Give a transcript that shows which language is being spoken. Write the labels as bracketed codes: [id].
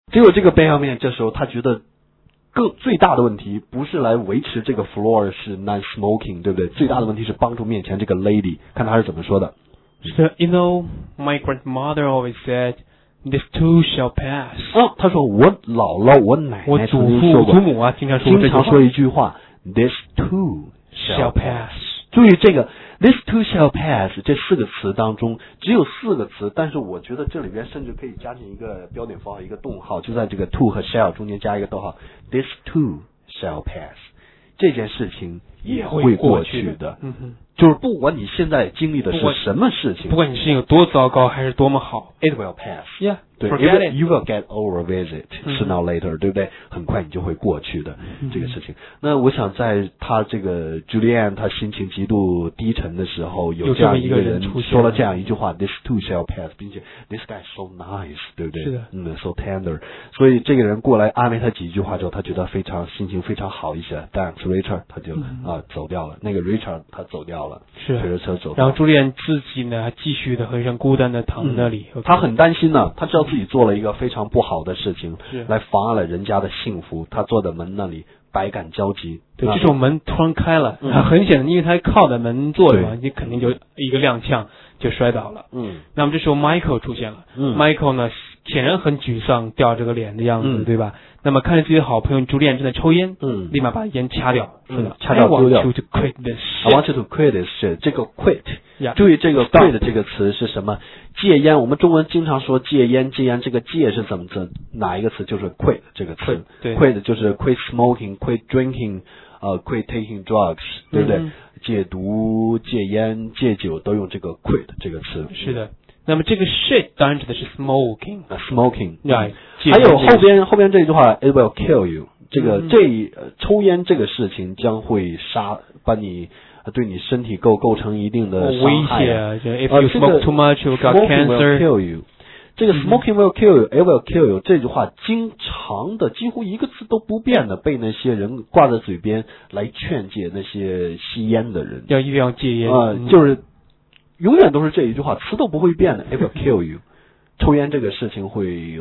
[zh] 只有这个 Benjamin 这时候他觉得最大的问题不是来维持这个 floor 是 non-smoking, 对不对？最大的问题是帮助面前这个 lady, 看他是怎么说的。 [en] So, you know, my grandmother always said, this too shall pass.、 [zh] 哦、他说我姥姥我奶奶我祖父我祖母啊经常说经常说一句话 [en] this too shall pass. [zh] 注意这个 [en] this too shall pass, [zh] 这四个词当中只有四个词，但是我觉得这里边甚至可以加进一个标点符号一个动号，就在这个 too 和 shall 中间加一个逗号 this too shall pass。这件事情也会过去的，嗯，就是不管你现在经历的是什么事情，不管你是有多糟糕还是多么好 [en] ，it will pass. Yeah, 对 ，you will get over with it sooner or later, [zh] 对不对？很快你就会过去的这个事情。那我想在他这个 Julian 他心情极度低沉的时候，有这样一个人说了这样一句话 ， [en] this too shall pass, [zh] 并且 [en] this guy is so nice, [zh] 对不对？是的， [en] 嗯 ，so tender. [zh] 所以这个人过来安慰他几句话之后，他觉得非常心情非常好一些。 [en] Thanks, Richard. [zh] 他就。啊，走掉了。那个 Richard 他走掉了，是推着车走掉了。然后朱莉安自己呢，继续的很孤单的躺那里。嗯、他很担心呢，他知道自己做了一个非常不好的事情，是来妨碍了人家的幸福。他坐在门那里百感交集。对，这时候门突然开了，嗯、他很显然，因为他靠在门坐着嘛，你肯定就一个踉跄就摔倒了。嗯，那么这时候 Michael 出现了。嗯，Michael 呢显然很沮丧，掉着个脸的样子，嗯、对吧？那么看着自己的好朋友朱莉安正在抽烟，嗯，立马把烟掐掉，嗯，掐掉丢掉。 [en] I want you to quit this shit. I want you to quit this shit. [zh] 这个 quit， [en] yeah, [zh] 注意这个 quit 这个词是什么？戒烟，我们中文经常说戒烟，戒烟这个戒是怎么哪一个词？就是 quit 这个词。 [en] quit 就是 quit smoking, quit drinking, quit taking drugs， [zh] 对不对？嗯、戒毒、戒烟、戒酒都用这个 quit 这个词。是的。那么这个 shit 当然指的是 smoking， [en] smoking， right， [zh] 还有后边这句话 [en] it will kill you， [zh] 这个、嗯、这抽烟这个事情将会杀把你对你身体构成一定的危险、啊、 [en] if you smoke too much you got cancer， smoking will kill you， [zh] 这个 smoking will kill you， [en] it will kill you [zh] 这句话经常的几乎一个字都不变的被那些人挂在嘴边来劝戒那些吸烟的人，要一定要戒烟、就是永远都是这一句话，词都不会变的。 [en] It will kill you， [zh] 抽烟这个事情会